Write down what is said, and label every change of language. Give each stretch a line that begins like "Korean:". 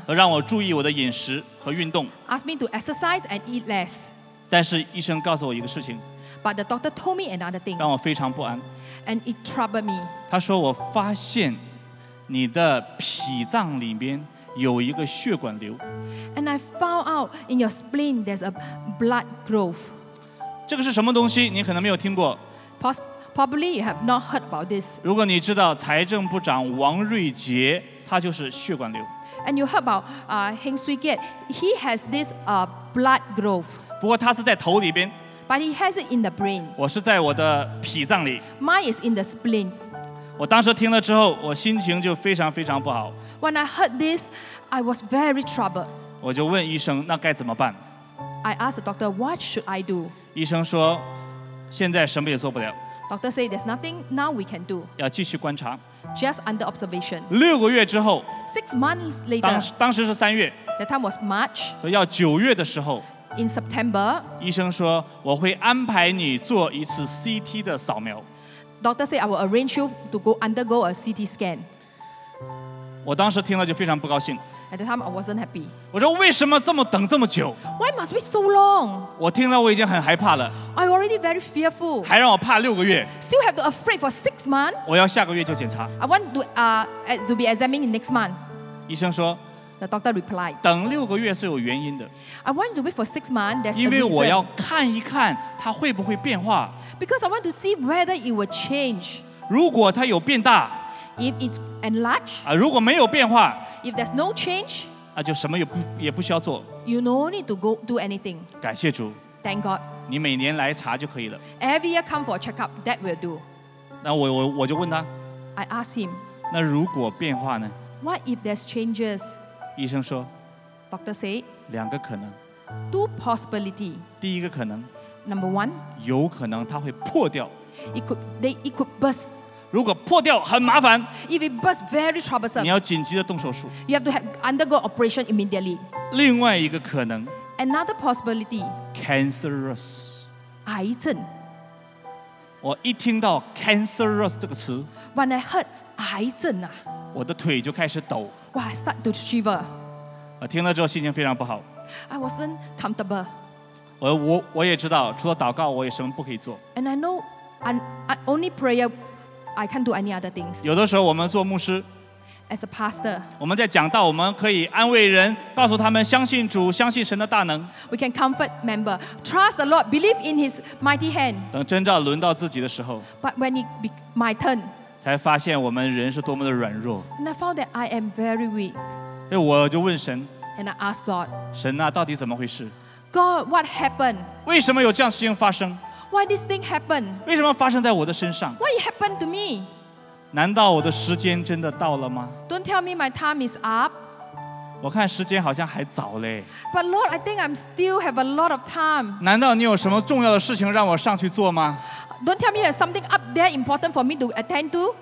Chinese: 让我注意我的饮食和运动
English: Ask me to exercise and eat less.
Chinese: 但是医生告诉我一个事情。
English: But the doctor told me another thing.
Chinese: 让我非常不安。
English: And it troubled me.
Chinese: 他说我发现你的脾脏里面有一个血管瘤。
English: And I found out in your spleen there's a blood growth.
Chinese: 这个是什么东西？你可能没有听过。
English: Probably you have not heard about this.
Chinese: 如果你知道财政部长王瑞杰，他就是血管瘤。
English: And you heard about Heng Swee Keat, he has this blood growth.
Chinese: 不过他是在头里边。
English: But he has it in the brain.
Chinese: 我是在我的脾脏里。
English: Mine is in the spleen.
Chinese: 我当时听了之后，我心情就非常非常不好。
English: When I heard this, I was very troubled.
Chinese: 我就问医生，那该怎么办
English: ？I asked the doctor, what should I do?
Chinese: 医生说，现在什么也做不了。
English: Doctor say there's nothing now we can do.
Chinese: 要继续观察。
English: Just under observation.
Chinese: 六个月之后。
English: Six months later.
Chinese: 当时是三月。
English: The time was March.
Chinese: 所以要九月的时候。
English: In September,
Chinese: 医生说我会安排你做一次 CT 的扫描。
English: Doctor said I will arrange you to go undergo a CT scan.
Chinese: 我当时听了就非常不高兴。
English: At the time, I wasn't happy.
Chinese: 我说为什么这么等这么久
English: ？Why must wait so long?
Chinese: 我听了我已经很害怕了。
English: I already very fearful.
Chinese: 还让我怕六个月。
English: Still have to afraid for 6 months.
Chinese: 我要下个月就检查。
English: I want to be examined next month.
Chinese: 医生说
English: The doctor replied,
Chinese: 等六个月是有原因的
English: I want to wait for 6 months, there's
Chinese: 因为我要看一看它会不会变化
English: Because I want to see whether it will change
Chinese: 如果它有变大
English: If it's enlarged,
Chinese: 如果没有变化
English: If there's no change,
Chinese: 就什么 也不需要做
English: You don't need to go do anything
Chinese: 感谢主
English: Thank God
Chinese: 你每年来查就可以了
English: Every year come for a checkup, that will do
Chinese: 那 我就问他
English: I asked him
Chinese: 那如果变化呢
English: What if there's changes?
Chinese: 医生说
English: Doctor said
Chinese: 两个可能
English: Two possibility
Chinese: 第一个可能
English: Number one
Chinese: 有可能它会破掉
English: It could burst
Chinese: 如果破掉很麻烦
English: If it bursts very troublesome
Chinese: 你要紧急的动手术
English: You have to undergo operation immediately
Chinese: 另外一个可能
English: Another possibility Cancerous
Chinese: 癌症我一听到 cancerous 这个词
English: When I heard 癌症啊
Chinese: 我的腿就开始抖
English: Wow, I start to shiver
Chinese: 我听了之后心情非常不好
English: I wasn't comfortable
Chinese: 我也知道除了祷告我也什么不可以做
English: And I know only prayer I can't do any other things
Chinese: 有的时候我们做牧师
English: As a pastor
Chinese: 我们在讲道我们可以安慰人告诉他们相信主相信神的大能
English: We can comfort member Trust the Lord Believe in his mighty hand
Chinese: 等真正轮到自己的时候
English: But when it be my turn
Chinese: 才发现我们人是多么的软弱
English: And I found that I am very weak
Chinese: 所以我就问神
English: And I asked God
Chinese: 神啊到底怎么回事
English: God what happened
Chinese: 为什么有这样的事情发生
English: Why this thing happened
Chinese: 为什么发生在我的身上
English: Why it happened to me
Chinese: 难道我的时间真的到了吗
English: Don't tell me my time is up
Chinese: 我看时间好像还早嘞
English: But Lord I think I'm still have a lot of time
Chinese: 难道你有什么重要的事情让我上去做吗
English: Don't tell me there's something up there important for me to attend to.